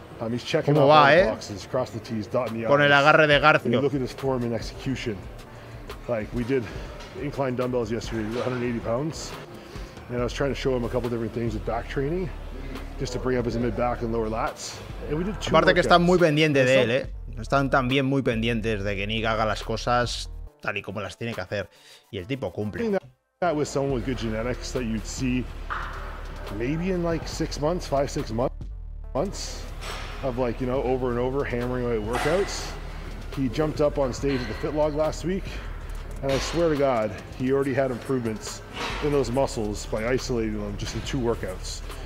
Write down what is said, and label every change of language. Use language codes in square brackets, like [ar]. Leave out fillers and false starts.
[en] He's checking out all the boxes, cross the T's, dotting the [es] I's. Con el agarre de Garcio. [en] Look at his form and execution. Like we did incline dumbbells yesterday, 180 pounds, and I was trying to show him a couple different things with back training just to bring up his mid back and lower lats, and we did two. [es] Aparte que están muy pendientes de él, están también muy pendientes de que Nick haga las cosas tal y como las tiene que hacer, y el tipo cumple. [en] That was someone with good genetics that you'd see maybe in like 6 months, 5-6 months of like, you know, over and over hammering away workouts. He jumped up on stage at the Fitlog last week. And I swear to God, he already had improvements in those muscles by isolating them just in 2 workouts.